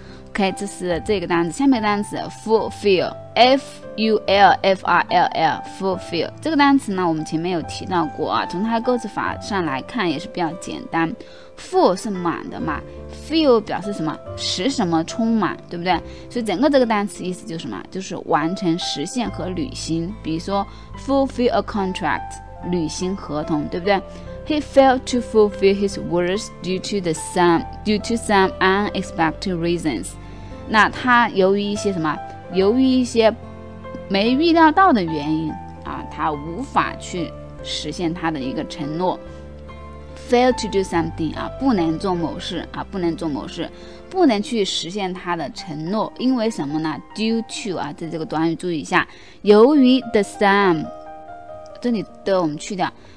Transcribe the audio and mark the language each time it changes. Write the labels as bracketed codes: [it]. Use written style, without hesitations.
[zh] OK， 这是这个单词。下面单词 fulfill， F-U-L-F-R-L-L fulfill 这个单词呢，我们前面有提到过啊，从它的构词法上来看也是比较简单。 full 是满的嘛， fill 表示什么，使什么充满，对不对？所以整个这个单词意思就是什么，就是完成、实现和履行。比如说 [en] fulfill a contract， [zh] 履行合同，对不对？ [en] He failed to fulfill his words due to some unexpected reasons. [zh] 那他由于一些什么？由于一些没预料到的原因啊，他无法去实现他的一个承诺。 [en] Fail to do something [zh] 啊，不能做某事啊，不能做某事，不能去实现他的承诺，因为什么呢 ？ [en] Due to [zh] 啊，在这个短语注意一下，由于 [en] the some， [zh] 这里的我们去掉。